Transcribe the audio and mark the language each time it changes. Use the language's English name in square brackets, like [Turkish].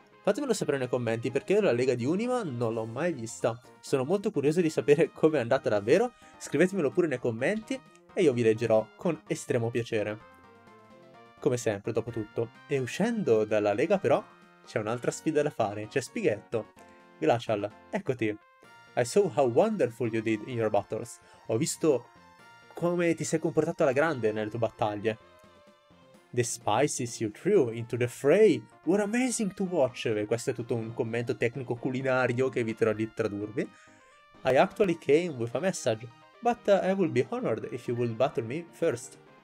[Italian] Fatemelo sapere nei commenti perché io la Lega di Unima non l'ho mai vista. Sono molto curioso di sapere come è andata davvero. Scrivetemelo pure nei commenti e io vi leggerò con estremo piacere. Come sempre, dopo tutto. E uscendo dalla Lega però c'è un'altra sfida da fare, c'è Spighetto. Glacial, eccoti. [English] I saw how wonderful you did in your battles. [Italian] Ho visto come ti sei comportato alla grande nelle tue battaglie. [English] The spices you threw into the fray were amazing to watch. [Italian] Questo è tutto un commento tecnico culinario che eviterò di tradurvi. [English] I actually came with a message, but I will be honored if you would battle me first.